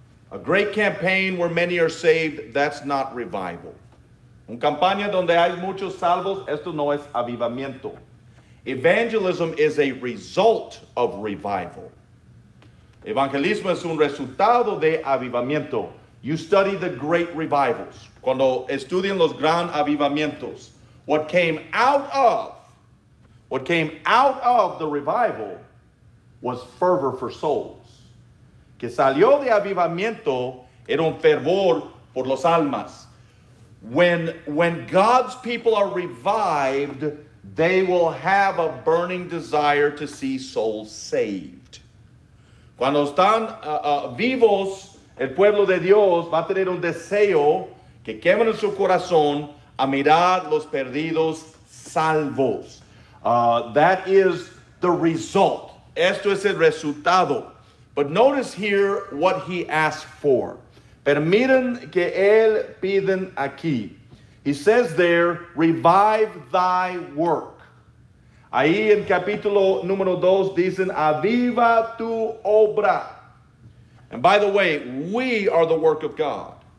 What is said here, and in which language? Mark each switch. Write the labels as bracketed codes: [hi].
[en] A great campaign where many are saved, that's not revival. [es] Un campaña donde hay muchos salvos, esto no es avivamiento. [en] Evangelism is a result of revival. [es] Evangelismo es un resultado de avivamiento. [en] You study the great revivals. [es] Cuando estudian los gran avivamientos, [en] what came out of the revival was fervor for souls. [es] Que salió de avivamiento era un fervor por las almas. [en] When God's people are revived, they will have a burning desire to see souls saved. [es] Cuando están vivos, el pueblo de Dios va a tener un deseo que quemen en su corazón a mirar los perdidos salvos. [en] That is the result. [es] Esto es el resultado. [en] But notice here what he asked for. [es] Pero miren que él piden aquí. [en] He says there, revive thy work. [es] Ahí en capítulo número 2 dicen, aviva tu obra. [en] And by the way, we are the work of God.